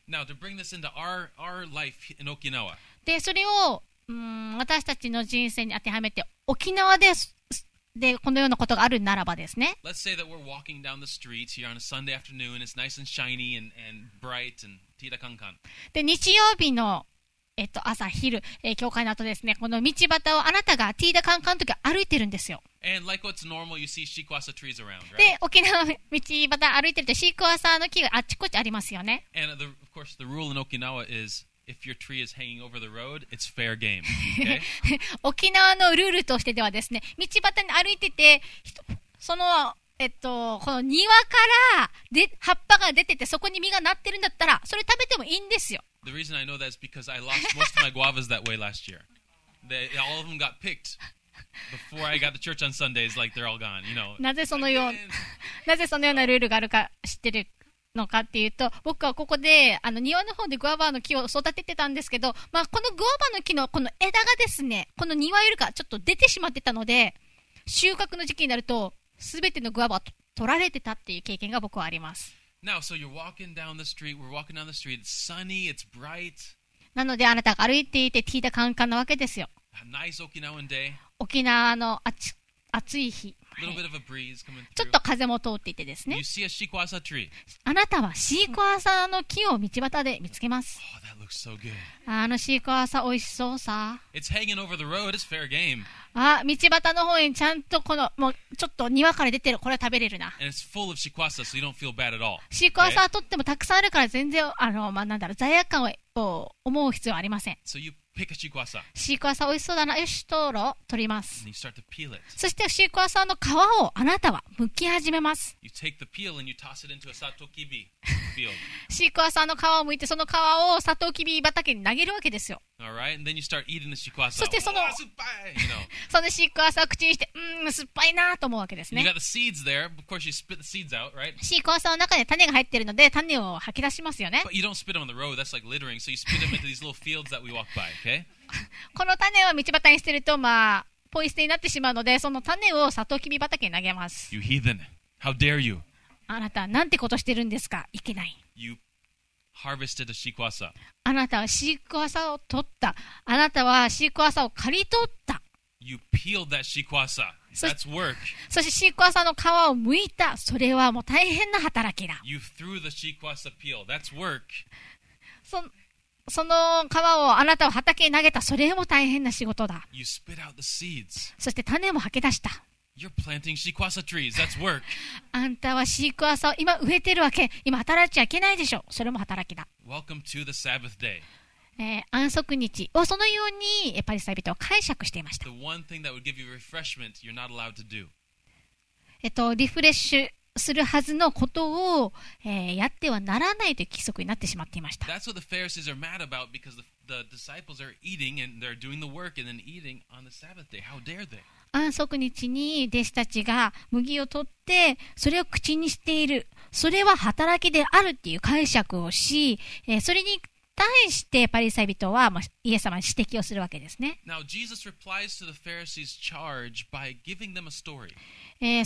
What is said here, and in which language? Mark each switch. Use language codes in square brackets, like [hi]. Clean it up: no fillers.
[en] Now, to bring this into our life in Okinawa. [ja] で、それを私たちの人生に当てはめて、沖縄でこのようなことがあるならばですね。 [en] Let's say that we're walking down the streets here on a Sunday afternoon, and it's nice and shiny and bright and tita kankan. [ja] で、日曜日の朝昼、教会の後ですね、この道端をあなたがティーダカンカンの時は歩いてるんですよ。 [en] And like what's normal, you see shikwasa trees around, right? [ja] で、沖縄道端歩いてるとシークワサの木があっちこっちありますよね。 [en] And the, of course, the rule in Okinawa is if your tree is hanging over the road, it's fair game. Okay? [ja] 沖縄のルールとしてではですね、道端に歩いてて、その、この庭から葉っぱが出てて、そこに実がなってるんだったら、それ食べてもいいんですよ。 [en] The reason I know that is because I lost most of my guavas that way last year. All of them got picked before I got to church on Sundays, like they're all gone, you know. [ja] なぜそのようなルールがあるか知ってるのかっていうと、僕はここで庭の方でグアバの木を育ててたんですけど、まあこのグアバの木のこの枝がですね、この庭よりかちょっと出てしまってたので、収穫の時期になると全てのグアバは取られてたっていう経験が僕はあります。 [en] Now, so you're walking down the street. We're walking down the street. It's sunny. It's bright. [ja] なのであなたが歩いていてティーダカンカンなわけですよ。 [en] A nice Okinawan day. [ja] 沖縄の暑い日。 [en] A little bit of a breeze coming through. [ja] ちょっと風も通っていてですね。 [en] You see a shikwasa tree. [ja] あなたはシークワーサの木を道端で見つけます。 [en] Oh, that looks so good. [ja] あのシークワーサ美味しそうさ。 [en] It's hanging over the road. It's fair game. [ja] あ、道端の方にちゃんとこのもうちょっと庭から出てる、これは食べれるな。 [en] And it's full of shikwasa, so you don't feel bad at all. [ja] シークワーサはとってもたくさんあるから全然まあなんだろう、罪悪感を思う必要はありません。 [en] So youPick a shikwasa. [ja] シークワーサー美味しそうだな。よし、取ろう。取ります。 [en] And you start to peel it. [ja] そしてシークワーサーの皮をあなたは剥き始めます。 [en] You take the peel and you toss it into a satokibi field. [ja] シークワーサーの皮を剥いてその皮をサトウキビ畑に投げるわけですよ。 [en] All right. And then you start eating the shikwasa. [ja] そしてその酸っぱい。 [en] You know. [ja] そのシークワーサーを口にして、酸っぱいなと思うわけですね。 [en] You got the seeds there. Of course, you spit the seeds out, right? [ja] シークワーサーの中に種が入っているので種を吐き出しますよね。 [en] But you don't spit them on the road. That's like littering. So you spit them into these little fields that we walk by. [ja] この種を道端に捨てると、まあ、ポイ捨てになってしまうのでその種をサトウキビ畑に投げます。 [en] You heathen. How dare you? [ja] あなたなんてことしてるんですか。いけない。 [en] You harvested a shikwasa. [ja] あなたはシークワサを取った。あなたはシークワサを刈り取った。 [en] You peeled that shikwasa. That's work. [ja] そしてシークワサの皮を剥いた。それはもう大変な働きだ。 [en] You threw the shikwasa peel. That's work. [ja] そその皮をあなたは畑に投げた。それも大変な仕事だ。 [en] You spit out the seeds. [ja] そして種も吐き出した。 [en] You're planting shikwasa trees. That's work. [ja] あんたはシークワーサを今植えてるわけ。今働いちゃいけないでしょ。それも働きだ。 [en] Welcome to the Sabbath day. [ja] 安息日をそのようにパリサイ人は解釈していました。 [en] The one thing that would give you refreshment, you're not allowed to do. [ja] リフレッシュするはずのことを、やってはならないという規則になってしまっていました。 [en] That's what the Pharisees are mad about because the disciples are eating and they're doing the work and then eating on the Sabbath day. How dare they? [ja] 安息日に弟子たちが麦を取ってそれを口にしている、それは働きであるっていう解釈をし、それに対してパリサイ人はイエス様に指摘をするわけですね。 [en] Now, Jesus replies to the Pharisees' charge by giving them a story.